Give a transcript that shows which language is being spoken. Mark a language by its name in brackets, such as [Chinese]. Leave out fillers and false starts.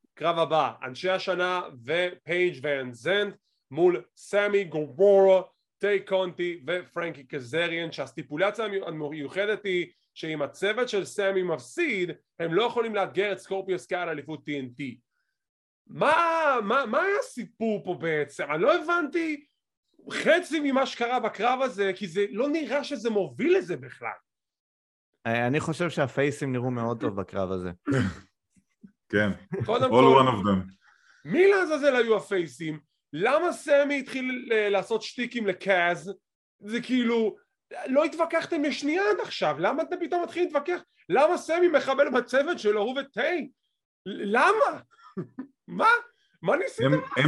[Hebrew] קרב הבא, אנשי השנה ופייג' ואן זנט מול סמי גוורו, טי קונטי ופרנקי קזריאן, שהסטיפולציה המיוחדת היא שאם הצוות של סמי מפסיד, הם לא יכולים לאתגר את סקורפיו סקאי על אליפות TNT. מה היה הסיפור פה בעצם? אני לא הבנתי חצי ממה שקרה בקרב הזה, כי זה לא נראה שזה מוביל לזה בכלל. אני חושב שהפייסים נראו מאוד טוב בקרב הזה. כן, [English] all one of them. [Hebrew] מי לעזאזל היו הפייסים? למה סמי התחיל לעשות שטיקים לקאז? זה כאילו, לא התווכחתם לשנייה עד עכשיו, למה אתם פתאום מתחילים להתווכח? למה סמי מחבל בצוות שלו, הוא וטי? למה? מה? מה ניסיתם לעשות?